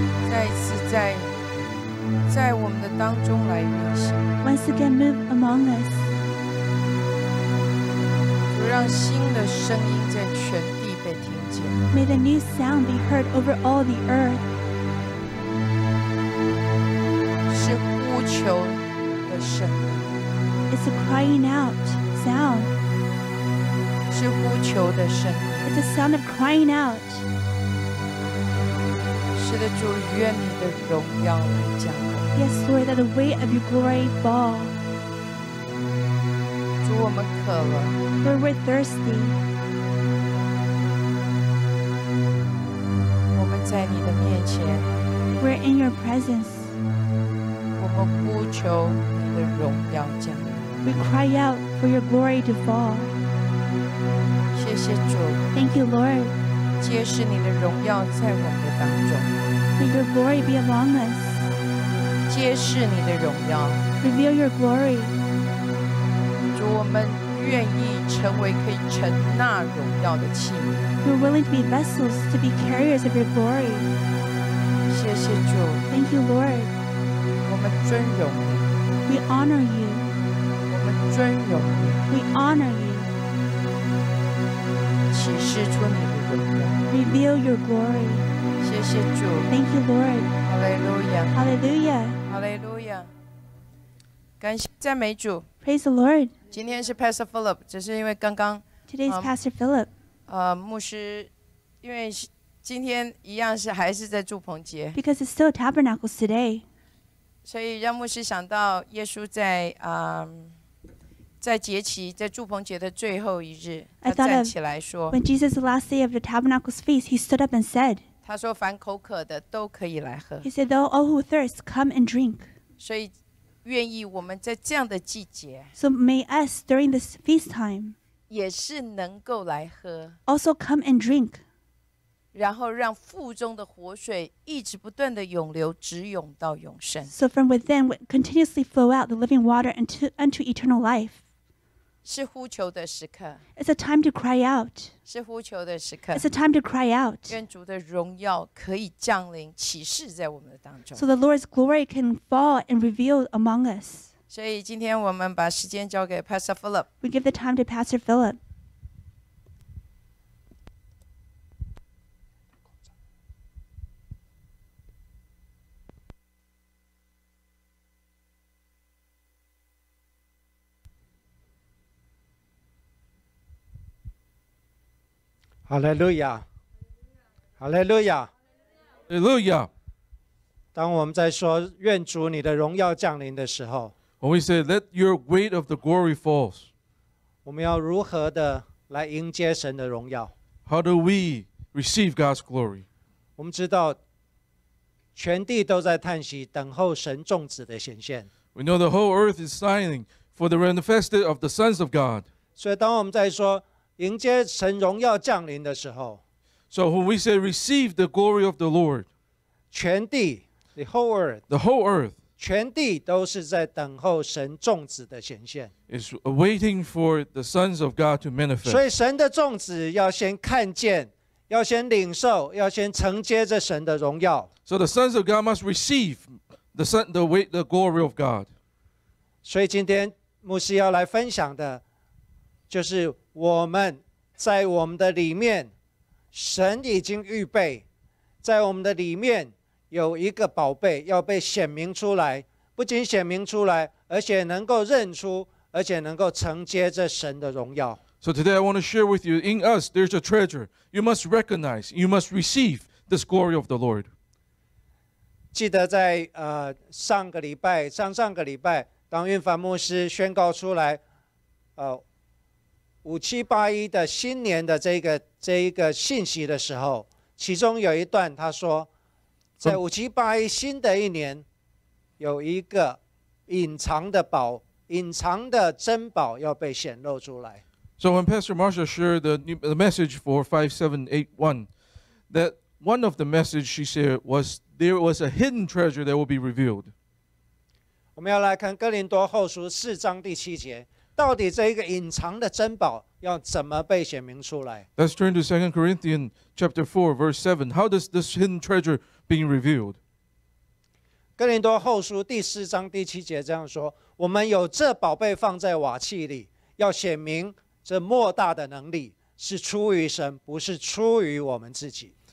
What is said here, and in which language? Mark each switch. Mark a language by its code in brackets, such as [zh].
[zh] 再一次在我们的当中来运行。 [en] Once again, move among us. [zh] 主让新的声音在全地被听见。 [en] May the new sound be heard over all the earth. [zh] 是呼求的声。 [en] It's a crying out sound. [zh] 是呼求的声。 [en] It's a sound of crying out. [zh] 是的，主，愿你的荣耀来降。 [en] Yes, Lord, that the weight of your glory fall. [zh] 主，我们渴了。 [en] Lord, we're thirsty. [zh] 我们在你的面前。 [en] We're in your presence. [zh] 我们呼求你的荣耀降临。 [en] We cry out for your glory to fall. [zh] 谢谢主。 [en] Thank you, Lord. [zh] 揭示你的荣耀在我们的当中。 [en] May your glory be among us. [zh] 揭示你的荣耀。 [en] Reveal your glory. [zh] 主，我们愿意成为可以承纳荣耀的器皿。 [en] We're willing to be vessels to be carriers of your glory. [zh] 谢谢主。 [en] Thank you, Lord. [zh] 我们尊荣你。 [en] We honor you. [zh] 我们尊荣你。 [en] We honor you. [zh] 启示出你的荣耀。 [en] Reveal your glory. [zh] 谢谢主。 [en] Thank you, Lord. Hallelujah. Hallelujah. [zh] Hallelujah. 感谢赞美主。 [en] Praise the Lord. [zh] 今天是 Pastor Philip, 只是因为刚刚 [en] Today's Pastor Philip. [zh] 牧师因为今天一样是还是在住棚节。 [en] Because it's still Tabernacles today. [zh] 所以让牧师想到耶稣在在节期在住棚节的最后一日他站起来说 [en] When Jesus the last day of the Tabernacles feast, he stood up and said, [zh] 他说凡口渴的都可以来喝。 [en] He said, though all who thirst, come and drink. [zh] 所以愿意我们在这样的季节。 [en] So may us, during this feast time, [zh] 也是能够来喝。 [en] Also come and drink. [zh] 然后让腹中的活水一直不断的涌流直涌到永生。 [en] So from within, continuously flow out the living water unto eternal life. [zh] 是呼求的时刻。 [en] It's a time to cry out. [zh] 是呼求的时刻。 [en] It's a time to cry out. [zh] 愿主的荣耀可以降临启示在我们的当中。 [en] So the Lord's glory can fall and reveal among us. [zh] 所以今天我们把时间交给 Pastor Philip. [en] We give the time to Pastor Philip. Hallelujah! Hallelujah! Hallelujah! [zh] 当我们在说愿主你的荣耀降临的时候 [en] ，When we say let your weight of the glory falls， [zh] 我们要如何的来迎接神的荣耀 [en] ？How do we receive God's glory？ [zh] 我们知道全地都在叹息，等候神众子的显现。 [en] We know the whole earth is sighing for the manifested of the sons of God。 [zh] 所以当我们在说迎接神荣耀降临的时候 [en] ，So when we say receive the glory of the Lord， [zh] 全地 [en] the whole earth， [zh] 全地都是在等候神众子的显现 [en] ，is waiting for the sons of God to manifest。 [zh] 所以神的众子要先看见，要先领受，要先承接着神的荣耀。 [en] So the sons of God must receive the glory of God。 [zh] 所以今天牧师要来分享的，就是。我们在我们的里面，神已经预备，在我们的里面有一个宝贝要被显明出来，不仅显明出来，而且能够认出，而且能够承接这神的荣耀。 [en] So today I want to share with you, in us there's a treasure. You must recognize, you must receive this glory of the Lord. [zh] 记得在上个礼拜、上上个礼拜，当运凡牧师宣告出来，5781的新年的这个信息的时候，其中有一段他说，在5781新的一年，有一个隐藏的宝、隐藏的珍宝要被显露出来。 [en] So when Pastor Marshall shared the message for 5781, that one of the message she said was there was a hidden treasure that will be revealed. [zh] 我们要来看哥林多后书4章第7节。到底这一个隐藏的珍宝要怎么被显明出来 [en] ？Let's turn to 2 Corinthians chapter 4 verse 7. How does this hidden treasure being revealed? [zh] 哥林多后书第四章第七节这样说：我们有这宝贝放在瓦器里，要显明这莫大的能力是出于神，不是出于我们自己。